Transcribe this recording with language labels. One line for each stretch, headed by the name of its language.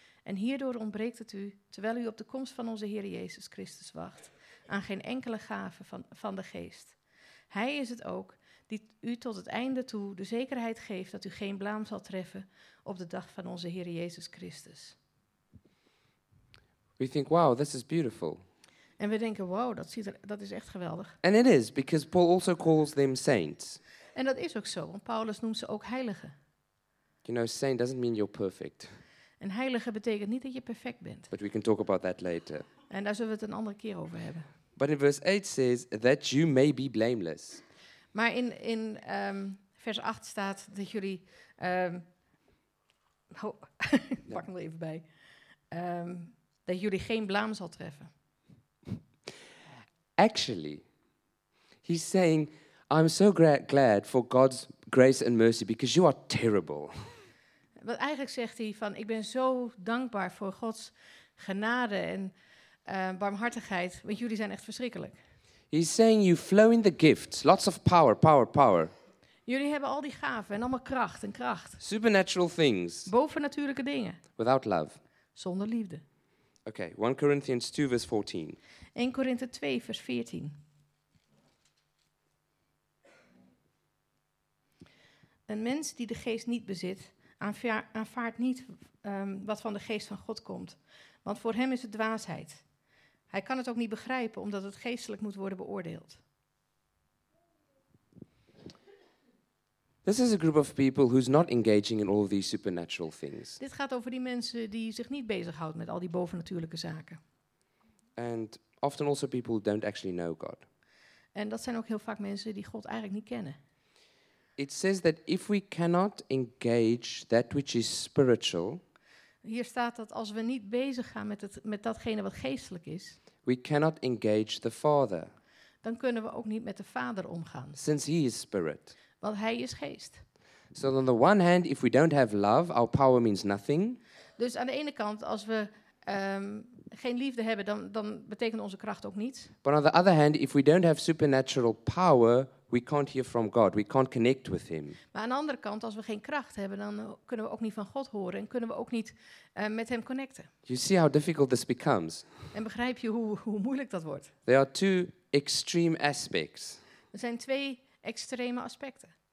Dutch: En hierdoor ontbreekt het u, terwijl u op de komst van onze Heer Jezus Christus wacht, aan geen enkele gave van de Geest. Hij is het ook die u tot het einde toe de zekerheid geeft dat u geen blaam zal treffen op de dag van onze Heer Jezus Christus.
English: We think, wow, this is beautiful.
Dutch: En we denken, wow, dat is echt geweldig.
English: And it is, because Paul also calls them saints.
Dutch: En dat is ook zo, want Paulus noemt ze ook heiligen.
English: You know, saint doesn't mean you're perfect.
Dutch: En heilige betekent niet dat je perfect bent.
English: But we can talk about that later.
Dutch: En daar zullen we het een andere keer over hebben.
English: But in verse 8 says that you may be blameless.
Dutch: Maar in vers 8 staat dat jullie... pak hem er even bij. Dat jullie geen blaam zal treffen.
English: Actually, he's saying, I'm so glad for God's grace and mercy because you are terrible.
Dutch: Wat eigenlijk zegt hij van, ik ben zo dankbaar voor Gods genade en barmhartigheid, want jullie zijn echt verschrikkelijk.
English: He's saying you flow in the gifts, lots of power, power, power.
Dutch: Jullie hebben al die gaven en allemaal kracht en kracht.
English: Supernatural things.
Dutch: Bovennatuurlijke dingen.
English: Without love.
Dutch: Zonder liefde.
English: Okay, 1 Corinthians 2 verse 14.
Dutch: 1 Korinthe 2 vers 14. Een mens die de geest niet bezit, aanvaardt niet wat van de geest van God komt. Want voor hem is het dwaasheid. Hij kan het ook niet begrijpen, omdat het geestelijk moet worden beoordeeld.
English: This is a group of people who's not engaging in all of these supernatural things.
Dutch: Dit gaat over die mensen die zich niet bezighoudt met al die bovennatuurlijke zaken.
English: And often also people who don't actually know God.
Dutch: En dat zijn ook heel vaak mensen die God eigenlijk niet kennen.
English: It says that if we cannot engage that which is spiritual.
Dutch: Hier staat dat als we niet bezig gaan met datgene wat geestelijk is.
English: We cannot engage the Father.
Dutch: Dan kunnen we ook niet met de Vader omgaan.
English: Since he is spirit.
Dutch: Want hij is geest.
English: So on the one hand, if we don't have love, our power means nothing.
Dutch: Dus aan de ene kant, als we geen liefde hebben, dan betekent onze kracht ook niets.
English: But on the other hand, if we don't have supernatural power, we can't hear from God. We can't connect with him.
Dutch: Maar aan de andere kant, als we geen kracht hebben, dan kunnen we ook niet van God horen en kunnen we ook niet met hem connecten.
English: You see how difficult this becomes.
Dutch: En begrijp je hoe moeilijk dat wordt?
English: There are two extreme aspects.
Dutch: Er zijn twee extreme aspecten.